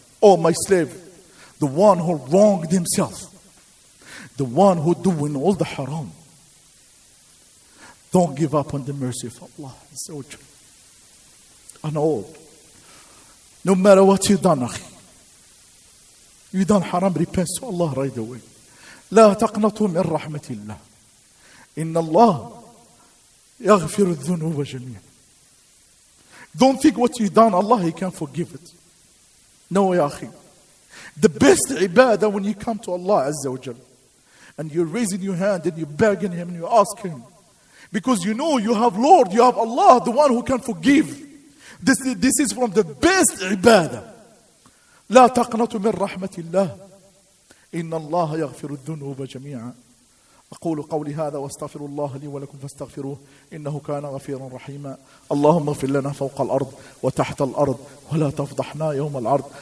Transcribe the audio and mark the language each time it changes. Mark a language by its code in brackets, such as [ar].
[en] Oh my slave, the one who wronged himself, the one who doing all the haram, don't give up on the mercy of Allah. And all, no matter what you've done, akhi, you done haram, repent to Allah right away. [ar] لا تقنطوا من رحمة الله إن الله يغفر الذنوب جميعا. [en] Don't think what you've done Allah he can forgive it. No [ar] يا أخي, [en] the best عبادة when you come to Allah عز وجل and you're raising your hand and you're begging him and you ask him, because you know you have Lord, you have Allah, the one who can forgive. This is from the best عبادة. [ar] لا تقنطوا من رحمة الله إن الله يغفر الذنوب جميعا. أقول قولي هذا واستغفر الله لي ولكم فاستغفروه إنه كان غفيرا رحيما. اللهم اغفر لنا فوق الأرض وتحت الأرض ولا تفضحنا يوم العرض.